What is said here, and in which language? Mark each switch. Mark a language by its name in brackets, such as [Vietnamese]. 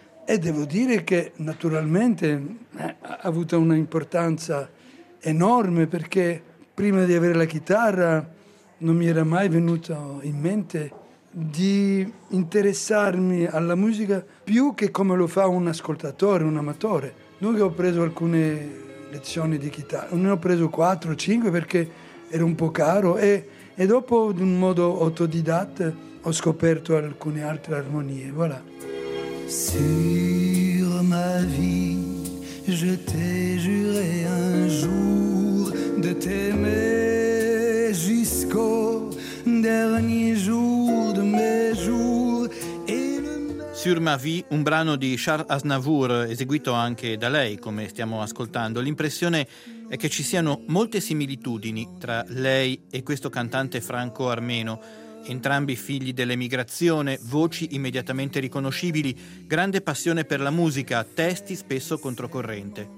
[Italian] E devo dire che naturalmente ha avuto una importanza enorme, perché prima di avere la chitarra non mi era mai venuto in mente di interessarmi alla musica più che come lo fa un ascoltatore, un amatore. Dunque ho preso alcune lezioni di chitarra, ne ho preso 4 o 5 perché era un po' caro, e dopo, in un modo autodidatta, ho scoperto alcune altre armonie. [French] Voilà. Sur ma vie, je t'ai juré un jour de t'aimer jusqu'au dernier jour de mes jours. [Italian] Sur ma vie, un brano di Charles Aznavour, eseguito anche da lei, come stiamo ascoltando. L'impressione è che ci siano molte similitudini tra lei e questo cantante franco-armeno, entrambi figli dell'emigrazione, voci immediatamente riconoscibili, grande passione per la musica, testi spesso controcorrente.